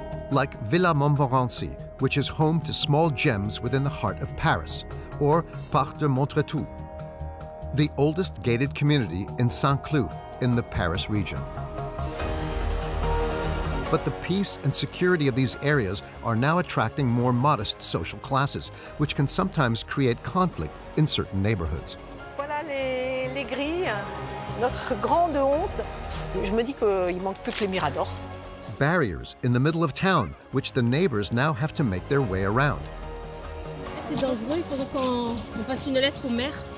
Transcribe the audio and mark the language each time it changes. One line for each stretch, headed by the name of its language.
English: Like Villa Montmorency, which is home to small gems within the heart of Paris, or Parc de Montretout, the oldest gated community in Saint-Cloud in the Paris region. But the peace and security of these areas are now attracting more modest social classes, which can sometimes create conflict in certain neighborhoods.
French: Voilà les grilles, notre grande honte. Je me dis qu'il manque plus que les miradors.
English: Barriers in the middle of town, which the neighbors now have to make their way around.
French: C'est dangereux, il faudrait qu'on fasse une lettre au maire.